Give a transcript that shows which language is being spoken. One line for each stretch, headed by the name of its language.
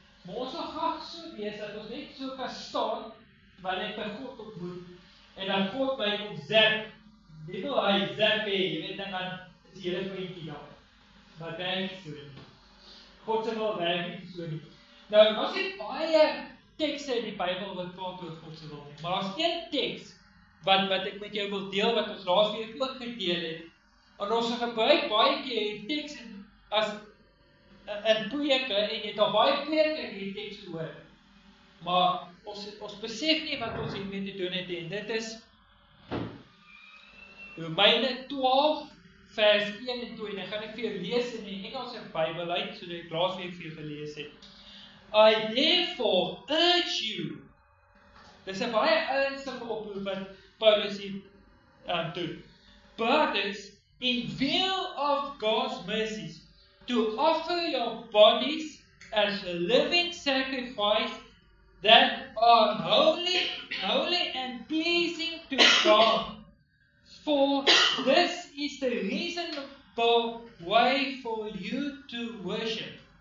Afrikaans: Maar ons wil graag so wees dat ons net so kan staan wanneer ek by God ontmoet en dan God my kom zap. Dit wil hy zap hê, jy weet, en dan is die hele prentjie daar. Maar dit is so nie. God se wil werk nie so nie. Nou, ons het baie tekste in die Bybel wat praat oor God se wil. Maar daar's een teks wat ek met jou wil deel wat ons laas week ook gedeel het. En ons gebruik baie keer hierdie teks as 'n preke en jy het al baie preke hierdie teks gehoor. Maar ons besef nie wat ons hiermee te doen het en dit is Romeine 12 vers 21. Gaan ek vir jou lees in die Engelse Bybel uit soos ek laas week vir jou gelees het.
English: I therefore urge you.
Afrikaans: Dis 'n baie ernstige oproep wat Paulus hier doen.
English: Brothers, in view of God's mercies, to offer your bodies as a living sacrifice that are holy and pleasing to God. For this is the reasonable way for you to worship.